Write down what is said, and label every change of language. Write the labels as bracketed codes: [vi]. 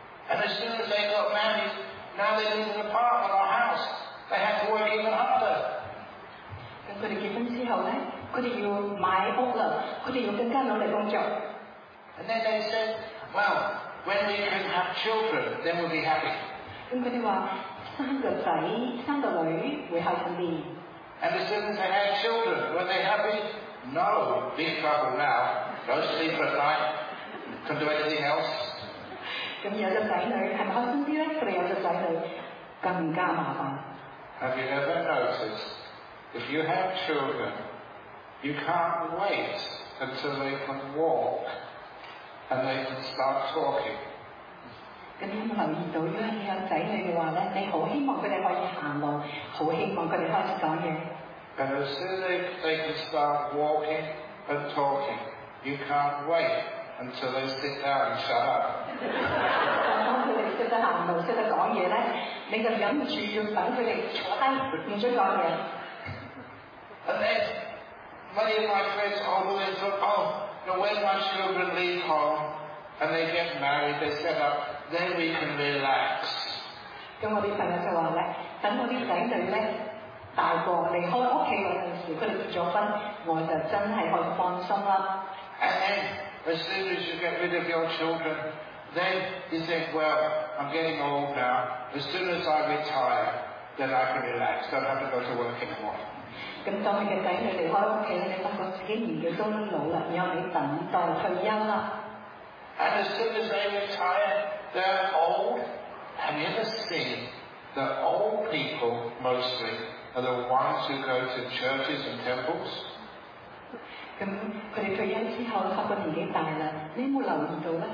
[en] And as soon as they got married, now they live in an apartment or a house. They have to work even harder. [yue] 咁佢哋結婚之後咧，佢哋要買屋啦，佢哋要更加努力工作。 [en] And then they said, "Well, when we can have children, then we'll be happy." [yue] 咁佢哋話：生個仔、生個女會開心啲。 [en] And as soon as they had children, were they happy? No, big trouble now. Go sleep for a night. Can't do anything else. [yue] 咁有隻仔女係咪開心啲咧？佢哋有隻仔女更加麻煩。 [en] Have you ever noticed if you have children, you can't wait until they can walk and they can start talking? [yue] 咁有冇留意到，如果你有仔女嘅話咧，你好希望佢哋可以行路，好希望佢哋開始講嘢。 [en] And as soon as they can start walking and talking, you can't wait until they sit down and shut up. [yue] 當佢哋識得行路、識得講嘢咧，你就忍唔住要等佢哋坐低，唔準講嘢。 [en] And then many of my friends always look, oh, now when my children leave home and they get married, they set up, then we can relax. [yue] 咁我啲朋友就話咧，等我啲仔女咧。大個離開屋企嗰陣時，佢哋結咗婚，我就真係可以放心啦。 [en] And as soon as you get rid of your children, then you think, well, I'm getting old now. As soon as I retire, then I can relax. Don't have to go to work anymore. [yue] 咁當你嘅仔女離開屋企，你發覺自己年紀都老啦，然後你等待退休啦。 [en] And as soon as they retire, they're old. Have you ever seen the old people mostly? Are the ones who go to churches and temples? [yue] 咁佢哋退休之後，發覺年紀大啦，你有冇留意到咧？